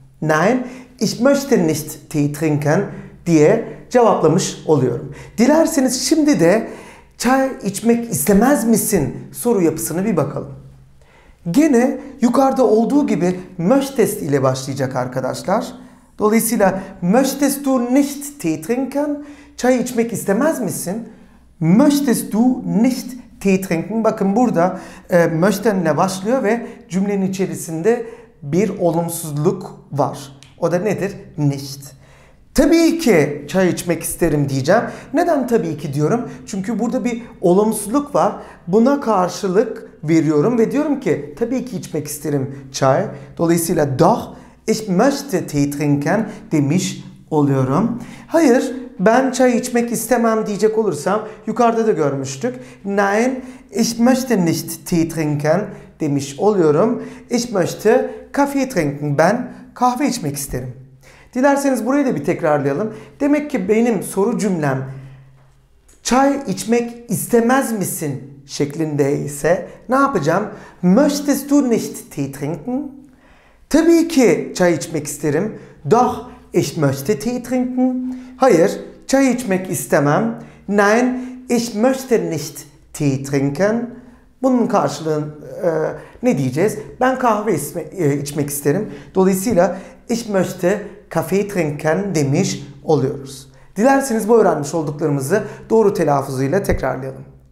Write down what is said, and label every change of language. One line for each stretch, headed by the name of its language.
German: Nein, ich möchte nicht Tee trinken
Turkish: diye cevaplamış oluyorum. Dilerseniz şimdi de çay içmek istemez misin soru yapısına bir bakalım. Gene yukarıda olduğu gibi möchtest ile başlayacak arkadaşlar. Dolayısıyla
German: möchtest du nicht Tee trinken?
Turkish: Çay içmek istemez misin?
German: Möchtest du nicht Tee trinken?
Turkish: Bakın burada möchten ile başlıyor ve cümlenin içerisinde bir olumsuzluk var. O da nedir? Nicht. Tabii ki çay içmek isterim diyeceğim. Neden tabii ki diyorum? Çünkü burada bir olumsuzluk var. Buna karşılık veriyorum ve diyorum ki tabii ki içmek isterim çay. Dolayısıyla
German: doch ich möchte Tee trinken
Turkish: demiş oluyorum. Hayır ben çay içmek istemem diyecek olursam yukarıda da görmüştük.
German: Nein ich möchte nicht Tee trinken
Turkish: demiş oluyorum.
German: Ich möchte Kaffee trinken.
Turkish: Ben kahve içmek isterim. Dilerseniz burayı da bir tekrarlayalım. Demek ki benim soru cümlem çay içmek istemez misin şeklinde ise ne yapacağım?
German: Möchtest du nicht Tee trinken?
Turkish: Tabii ki çay içmek isterim.
German: Doch, ich möchte Tee trinken.
Turkish: Hayır, çay içmek istemem.
German: Nein, ich möchte nicht Tee trinken.
Turkish: Bunun karşılığı ne diyeceğiz? Ben kahve içmek isterim. Dolayısıyla
German: ich möchte Kaffee trinken
Turkish: demiş oluyoruz. Dilerseniz bu öğrenmiş olduklarımızı doğru telaffuzuyla tekrarlayalım.